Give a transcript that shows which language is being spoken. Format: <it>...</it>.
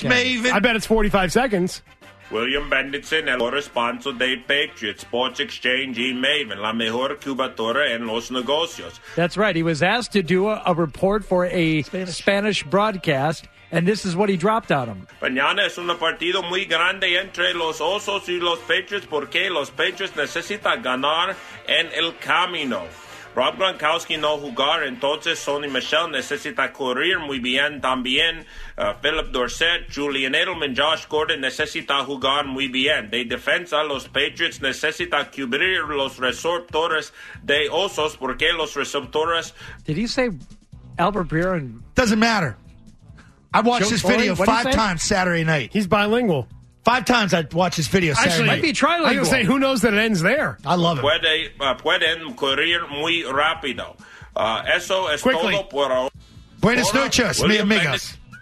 <en>the weekend. Maven. I bet it's 45 seconds.</en> <es>William Bendinson, el responsable de Patriots Sports Exchange y Maven, la mejor cubatora en los negocios.</es> <en>That's right. He was asked to do a report for a Spanish broadcast. And this is what he dropped on him.</en> <es>Mañana es un partido muy grande entre los Osos y los Patriots porque los Patriots necesitan ganar en el camino. Rob Gronkowski no jugar, entonces Sonny Michel necesita correr muy bien también. Philip Dorsett, Julian Edelman, Josh Gordon necesita jugar muy bien. De defensa, los Patriots necesita cubrir los receptores de Osos porque los receptores...</es> <en>Did he say Albert Breer? Doesn't matter. I watched this video five times Saturday night. He's bilingual. Five times I watched this video Saturday Actually, night. Might be trilingual. I was going to say, who knows that it ends there? I love it.</en> <es>Pueden correr muy rápido. Eso es</es> <en>Quickly.</en> <es>Todo por ahora. Buenas noches, mi amigos.</es>